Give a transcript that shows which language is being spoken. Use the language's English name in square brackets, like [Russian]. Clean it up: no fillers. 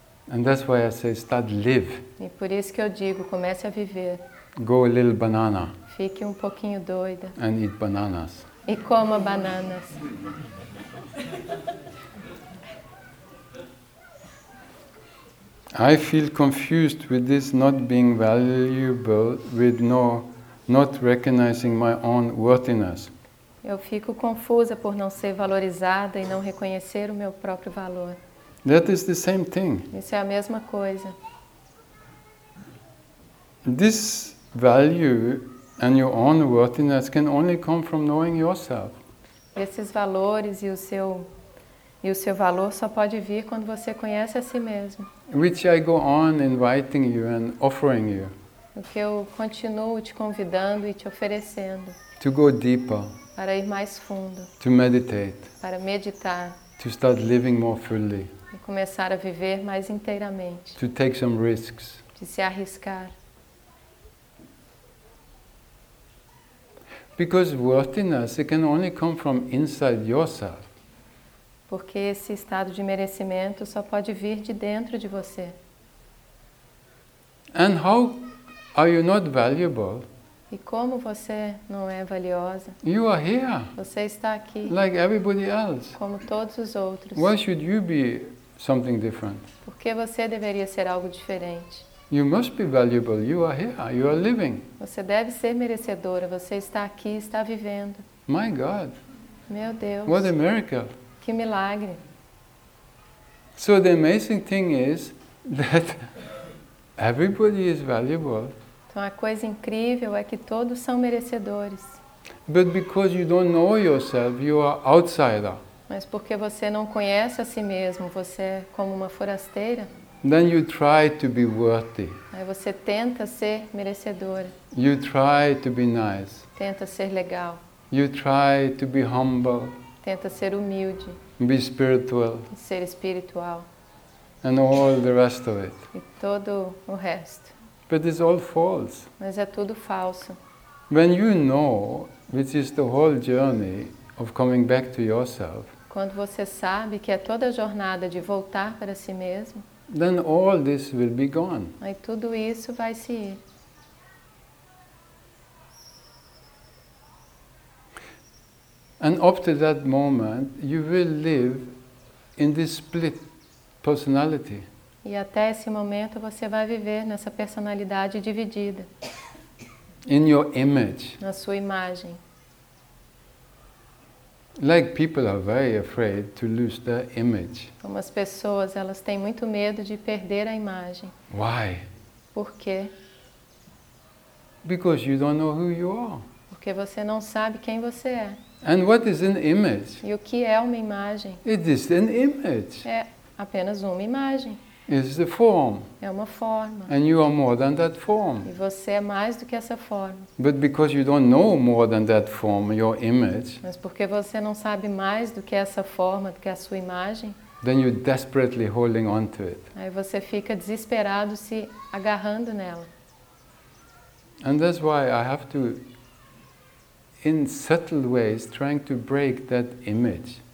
[English] And that's why I say start live. [Portuguese] E por isso que eu digo, comece a viver. [English] Go a little banana. [Portuguese] Fique um pouquinho doida. [English] And eat bananas. [Portuguese] E coma bananas. [English] I feel confused with this not being valuable, with not recognizing my own worthiness. [Portuguese] Eu fico confusa por não ser valorizada e não reconhecer o meu próprio valor. [English] That is the same thing. [Portuguese] Isso é a mesma coisa. [English] This value and your own worthiness can only come from knowing yourself. [Portuguese] Esses valores e o seu valor só pode vir quando você conhece a si mesmo. [English] Which I go on inviting you and offering you. [Portuguese] O que eu continuo te convidando e te oferecendo. [English] To go deeper. [Portuguese] Para ir mais fundo. [English] To meditate. [Portuguese] Para meditar. [English] To start living more fully. [Portuguese] E começar a viver mais inteiramente. [English] To take some risks. [Portuguese] De se arriscar. [English] Because worthiness can only come from inside yourself. [Portuguese] Porque esse estado de merecimento só pode vir de dentro de você. [English] And how are you not valuable? [Portuguese] E como você não é valiosa? [English] You are here. [Portuguese] Você está aqui. [English] Like everybody else. [Portuguese] Como todos os outros. [English] Why should you be something different? [Portuguese] Por que você deveria ser algo diferente? [English] You must be valuable. You are here. You are living. [Portuguese] Você deve ser merecedora. Você está aqui, está vivendo. [English] My God. [Portuguese] Meu Deus. [English] What a miracle. [Portuguese] Que milagre. [English] So the amazing thing is that everybody is valuable. [Portuguese] Então a coisa incrível é que todos são merecedores. [English] But because you don't know yourself, you are outsider. [Portuguese] Mas porque você não conhece a si mesmo, você é como uma forasteira. [English] Then you try to be worthy. [Portuguese] Aí você tenta ser merecedora. [English] You try to be nice. [Portuguese] Tenta ser legal. [English] You try to be humble. [Portuguese] Tenta ser humilde. [English] Be spiritual. [Portuguese] Ser espiritual. [English] And all the rest of it. [Portuguese] E todo o resto. [English] But it's all false. [Portuguese] Mas é tudo falso. [English] When you know, which is the whole journey of coming back to yourself. [Portuguese] Quando você sabe que é toda a jornada de voltar para si mesmo. [English] Then all this will be gone. [Portuguese] Aí tudo isso vai se ir. [English] And up to that moment, you will live in this split personality. [Portuguese] E até esse momento você vai viver nessa personalidade dividida. [English] In your image. [Portuguese] Na sua imagem. [English] Like people are very afraid to lose their image. [Portuguese] Como as pessoas, elas têm muito medo de perder a imagem. [English] Why? [Portuguese] Por quê? [English] Because you don't know who you are. [Portuguese] Porque você não sabe quem você é. [English] And what is an image? [Portuguese] E o que é uma imagem? [English] It is an image. [Portuguese] É apenas uma imagem. [English] It is a form. [Portuguese] É uma forma. [English] And you are more than that form. [Portuguese] E você é mais do que essa forma. [English] But because you don't know more than that form, your image. [Portuguese] Mas porque você não sabe mais do que essa forma, do que a sua imagem. [English] Then you're desperately holding on to it. [Portuguese] Aí você fica desesperado se agarrando nela. [English] And that's why I have to in subtle ways trying to break that image.